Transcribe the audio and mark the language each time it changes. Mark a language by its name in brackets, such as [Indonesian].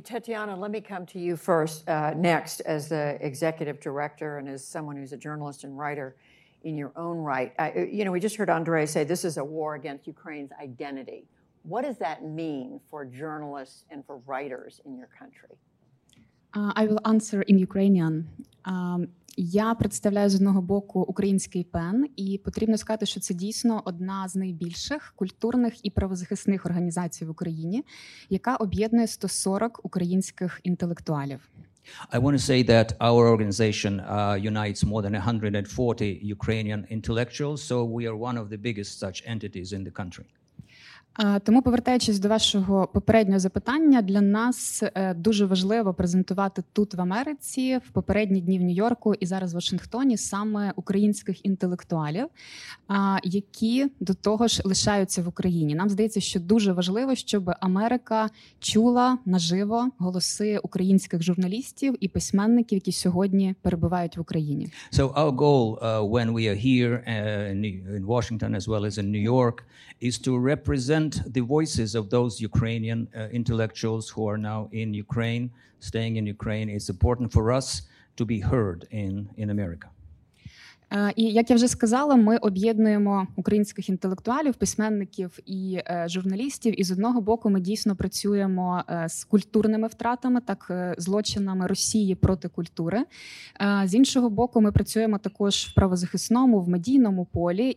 [English] Tatiana, let me come to you first, next, as the executive director and as someone who's a journalist and writer in your own right. You know, we just heard Andrei say this is a war against Ukraine's identity. What does that mean for journalists and for writers in your country? I will answer in Ukrainian. [Ukrainian] Я представляю, з одного боку, український ПЕН, і потрібно сказати, що це дійсно одна з найбільших культурних і правозахисних організацій в Україні, яка об'єднує 140 українських інтелектуалів. [English] I want to say that our organization unites more than 140 Ukrainian intellectuals, so we are one of the biggest such entities in the country. [Ukrainian] Тому, повертаючись до вашого попереднього запитання, для нас дуже важливо презентувати тут, в Америці, в попередні дні в Нью-Йорку і зараз в Вашингтоні, саме українських інтелектуалів, які до того ж лишаються в Україні. Нам здається, що дуже важливо, щоб Америка чула наживо голоси українських журналістів і письменників, які сьогодні перебувають в Україні. [English] So our goal when we are here in Washington as well as in New York is to represent the voices of those Ukrainian intellectuals who are now in Ukraine, staying in Ukraine. It's important for us to be heard in America. [Ukrainian] І як я вже сказала, ми об'єднуємо українських інтелектуалів, письменників і журналістів. І з одного боку, ми дійсно працюємо з культурними втратами, так злочинами Росії проти культури. З іншого боку, ми працюємо також в правозахисному, в медійному полі.